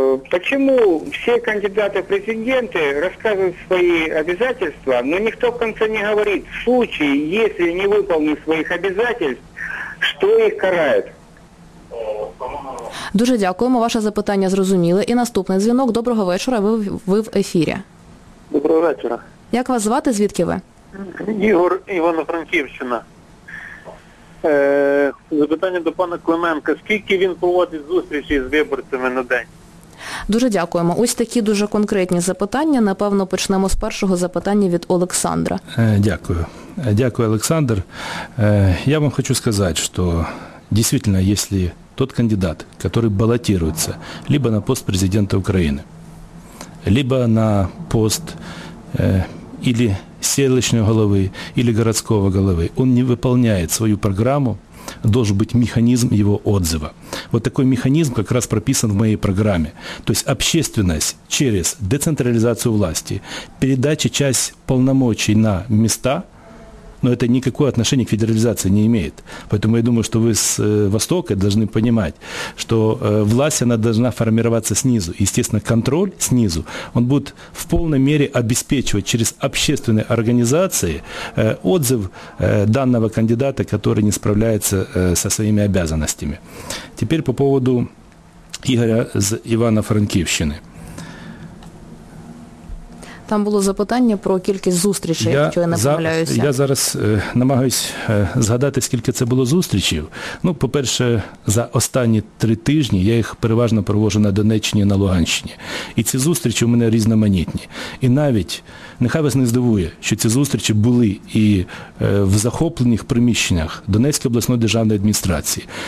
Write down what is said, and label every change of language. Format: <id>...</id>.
<ru>Почему все кандидаты в президенты рассказывают свои обязательства, но никто в конце не говорит, в случае, если не выполнить своих обязательств, что их карает?</ru> <uk>Дуже дякуємо, ваше запитання зрозуміли. І наступний дзвінок. Доброго вечора, ви в ефірі. Доброго вечора. Як вас звати, звідки ви? Ігор, Івано-Франківщина. Запитання до пана Клименка. Скільки він проводить зустрічі з виборцями на день? Дуже дякуємо. Ось такі дуже конкретні запитання. Напевно, почнемо з першого запитання від Олександра. Дякую. Дякую, Олександр. Я вам хочу сказати, що дійсно, якщо той кандидат, який балотується либо на пост президента України, либо на пост или селищного голови, или городського голови, він не виконує свою програму,</uk> <ru>должен быть механизм его отзыва. Вот такой механизм как раз прописан в моей программе. То есть общественность через децентрализацию власти, передача часть полномочий на места, но это никакое отношение к федерализации не имеет. Поэтому я думаю, что вы с Востока должны понимать, что власть, она должна формироваться снизу. Естественно, контроль снизу, он будет в полной мере обеспечивать через общественные организации отзыв данного кандидата, который не справляется со своими обязанностями. Теперь по поводу Игоря из Ивано-Франківщини.</ru> <uk>Там було запитання про кількість зустрічей, якщо я не помиляюся. Я зараз намагаюсь згадати, скільки це було зустрічей. Ну, по-перше, за останні три тижні я їх переважно провожу на Донеччині, на Луганщині. І ці зустрічі у мене різноманітні. І навіть, нехай вас не здивує, що ці зустрічі були і в захоплених приміщеннях Донецької обласної державної адміністрації.</uk>